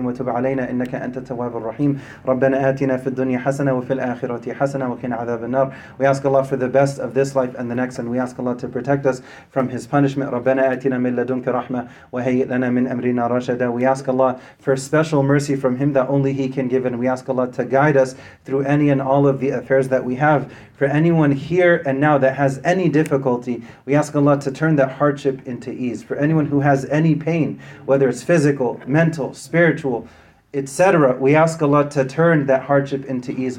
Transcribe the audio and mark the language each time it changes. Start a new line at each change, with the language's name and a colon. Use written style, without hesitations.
Arabic: محمد وتب علينا إنك أنت التواب الرحيم. ربنا آتنا في الدنيا حسنة وفي الآخرة حسنة وقنا عذاب النار.
English: We ask Allah for the best of this life and the next, and we ask Allah to protect us from His punishment.
Arabic: ربنا آتنا من لدنك رحمة وهيئ لنا من أمرنا رشدا.
English: We ask Allah for special mercy from Him that only He can give, and we ask Allah to guide us through any and all of the affairs that we have. For anyone here and now that has any difficulty, we ask Allah to turn that hardship into ease. For anyone who has any pain, whether it's physical, mental, spiritual, etc., we ask Allah to turn that hardship into ease.